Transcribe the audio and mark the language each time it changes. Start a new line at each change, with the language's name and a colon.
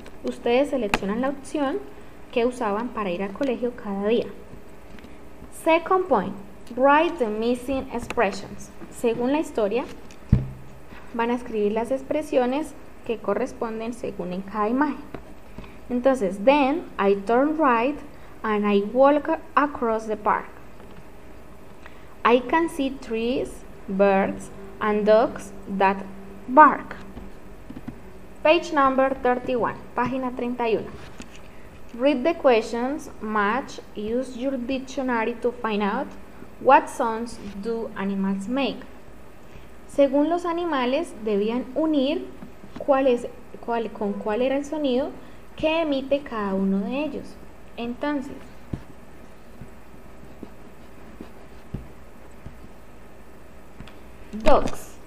Spanish: Ustedes seleccionan la opción que usaban para ir al colegio cada día.
English: Second point, write the missing expressions.
Spanish: Según la historia, van a escribir las expresiones que corresponden según en cada imagen.
English: Entonces, then I turn right and I walk across the park. I can see trees, birds, and dogs that bark. Page number 31,
Spanish: página 31.
English: Read the questions, match, use your dictionary to find out what sounds do animals make.
Spanish: Según los animales, debían unir cuál era el sonido que emite cada uno de ellos. Entonces, dogs.